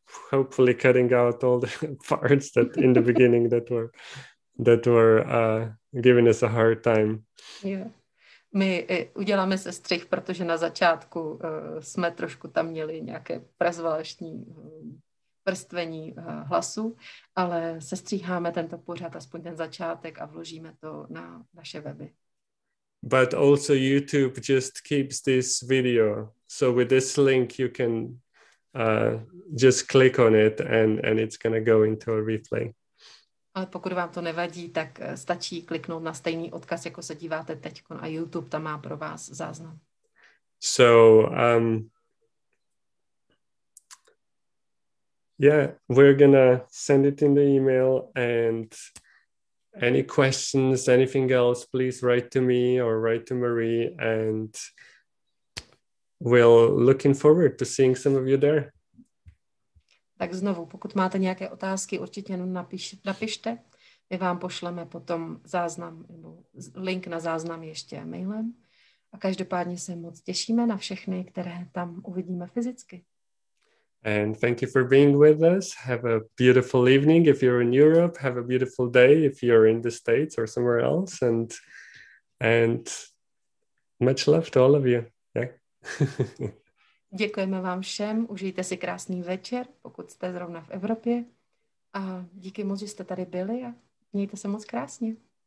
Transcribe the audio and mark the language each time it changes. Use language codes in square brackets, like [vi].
[en] Hopefully cutting out all the parts that in the beginning that were giving us a hard time. Yeah. [cs] My uděláme se střih, protože na začátku jsme trošku tam měli nějaké prazvláštní vrstvení hlasu, ale sestříháme tento pořad, aspoň ten začátek, a vložíme to na naše weby. [en] But also YouTube just keeps this video. So with this link you can just click on it and it's going to go into a replay. [cs] Ale pokud vám to nevadí, tak stačí kliknout na stejný odkaz, jako se díváte teď, a YouTube tam má pro vás záznam. [en] So, yeah, we're going to send it in the email, and any questions, anything else, please write to me or write to Marie, and we'll looking forward to seeing some of you there. [cs] Tak znovu, pokud máte nějaké otázky, určitě napište. My vám pošleme potom záznam nebo link na záznam ještě mailem. A každopádně se moc těšíme na všechny, které tam uvidíme fyzicky. [en] And thank you for being with us. Have a beautiful evening if you're in Europe. Have a beautiful day if you're in the States or somewhere else. And much love to all of you. Yeah. [cs] Děkujeme vám všem, užijte si krásný večer, pokud jste zrovna v Evropě, a díky moc, že jste tady byli, a mějte se moc krásně.